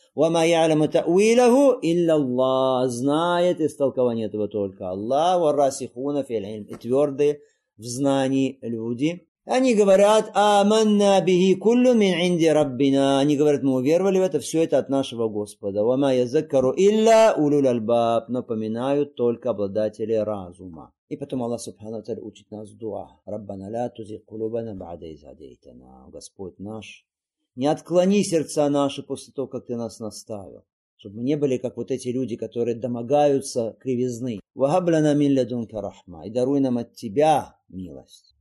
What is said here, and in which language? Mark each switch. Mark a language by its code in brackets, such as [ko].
[ar] وَمَا يَعْلَمُ تَأْوِيلَهُ إِلَّا اللَّهُ [ru] Знает истолкование этого только Аллах. [ar] وَالرَّاسِخُونَ فِي الْعِلْمِ [ru] И твердые в знании люди. Они говорят [ar] آمَنَّا بِهِ كُلٌّ مِنْ عِنْدِ رَبِّنَا [ru] Они говорят, мы уверовали в это, все это от нашего Господа. [ar] وَمَا يَذَكَّرُ إِلَّا أُولُو الْأَلْبَابِ [ru] Напоминают только обладатели разума. И потом Аллах Субхану Тааля учит нас дуа. [ar] Раббана ля тузигь кулубана баъда из хадейтана. [ru] Господь наш, не отклони сердца наши после того, как ты нас наставил. Чтобы мы не были, как вот эти люди, которые домогаются кривизны. [ar] Вахаб лана мин ладунка рахма. [ru] И даруй нам от тебя милость.